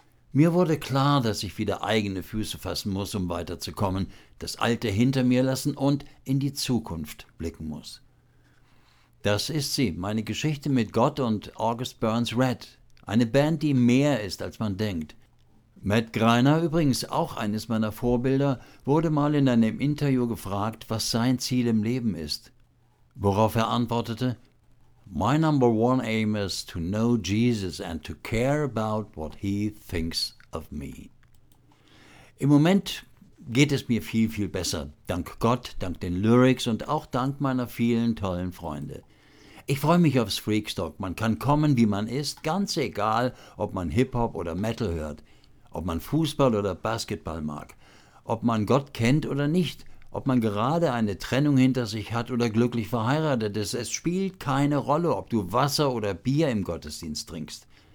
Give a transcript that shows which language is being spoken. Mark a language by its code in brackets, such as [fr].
[de] Mir wurde klar, dass ich wieder eigene Füße fassen muss, um weiterzukommen, das Alte hinter mir lassen und in die Zukunft blicken muss. Das ist sie, meine Geschichte mit Gott und August Burns Red, eine Band, die mehr ist, als man denkt. Matt Greiner, übrigens auch eines meiner Vorbilder, wurde mal in einem Interview gefragt, was sein Ziel im Leben ist. [en] Worauf er antwortete, My number one aim is to know Jesus and to care about what he thinks of me. [de] Im Moment geht es mir viel, viel besser. Dank Gott, dank den Lyrics und auch dank meiner vielen tollen Freunde. Ich freue mich aufs Freakstock. Man kann kommen, wie man ist, ganz egal, ob man Hip-Hop oder Metal hört. Ob man Fußball oder Basketball mag, ob man Gott kennt oder nicht, ob man gerade eine Trennung hinter sich hat oder glücklich verheiratet ist, es spielt keine Rolle, ob du Wasser oder Bier im Gottesdienst trinkst.